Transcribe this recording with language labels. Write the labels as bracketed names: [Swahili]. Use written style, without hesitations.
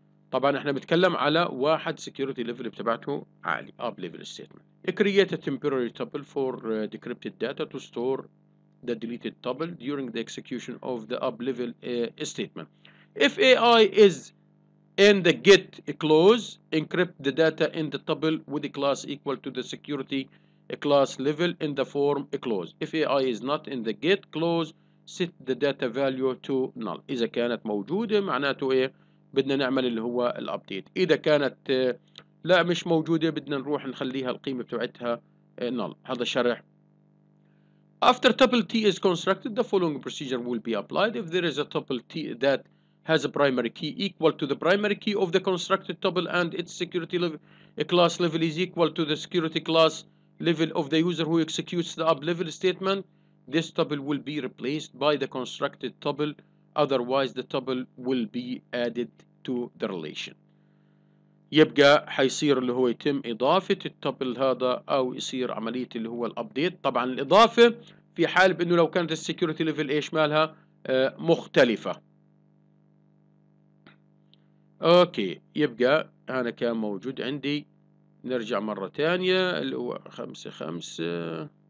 [Arabic] طبعا احنا بنتكلم على واحد سكيورتي ليفل بتبعته عالي، اب ليفل ستيتمنت. [English] create a temporary tuple for decrypted data to store the deleted tuple during the execution of the up level statement. if AI is in the get clause, encrypt the data in the tuple with a class equal to the security class level in the form clause. if AI is not in the get clause, set the data value to null. [Arabic] اذا كانت موجوده معناته ايه؟ بدنا نعمل اللي هو الابديت. اذا كانت لا مش موجوده بدنا نروح نخليها القيمه بتاعتها نل. هذا شرح. [English] After tuple T is constructed the following procedure will be applied. if there is a tuple T that has a primary key equal to the primary key of the constructed tuple and its security level, class level is equal to the security class level of the user who executes the up level statement, this tuple will be replaced by the constructed tuple. Otherwise the tuple will be added to the relation. [Arabic] يبقى حيصير اللي هو يتم إضافة التبل هذا أو يصير عملية اللي هو الأبديت. طبعا الإضافة في حال بأنه لو كانت السكيورتي ليفل إيش مالها مختلفة. أوكي يبقى أنا كان موجود عندي، نرجع مرة تانية اللي هو 5 5.